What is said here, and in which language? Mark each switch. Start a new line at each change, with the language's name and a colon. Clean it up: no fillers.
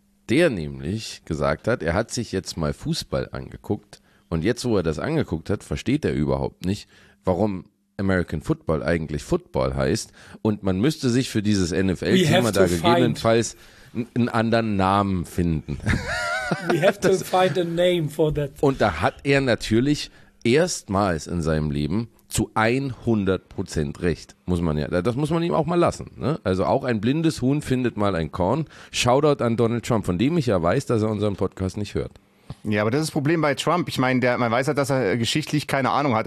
German: Der nämlich gesagt hat, er hat sich jetzt mal Fußball angeguckt und jetzt, wo er das angeguckt hat, versteht er überhaupt nicht, warum American Football eigentlich Football heißt und man müsste sich für dieses NFL-Thema da gegebenenfalls einen anderen Namen finden.
English: We have to find a name for that.
German: Und da hat er natürlich erstmals in seinem Leben zu 100% recht. Muss man ja, das muss man ihm auch mal lassen. Ne? Also auch ein blindes Huhn findet mal ein Korn. Shoutout an Donald Trump, von dem ich ja weiß, dass er unseren Podcast nicht hört. Ja, aber das ist das Problem bei Trump. Ich meine, man weiß halt, dass er geschichtlich keine Ahnung hat.